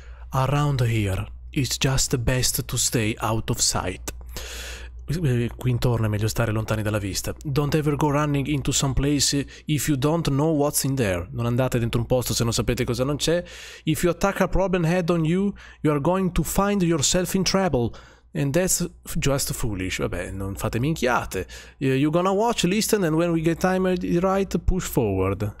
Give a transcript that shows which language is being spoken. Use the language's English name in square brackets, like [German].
[English] Around here, it's just best to stay out of sight. [Italian] Qui intorno è meglio stare lontani dalla vista. [English] Don't ever go running into some place if you don't know what's in there. [Italian] Non andate dentro un posto se non sapete cosa non c'è. [English] If you attack a problem head on you, you are going to find yourself in trouble. And that's just foolish. [Italian] Vabbè, non fate minchiate. [English] You're gonna watch, listen, and when we get time right, push forward.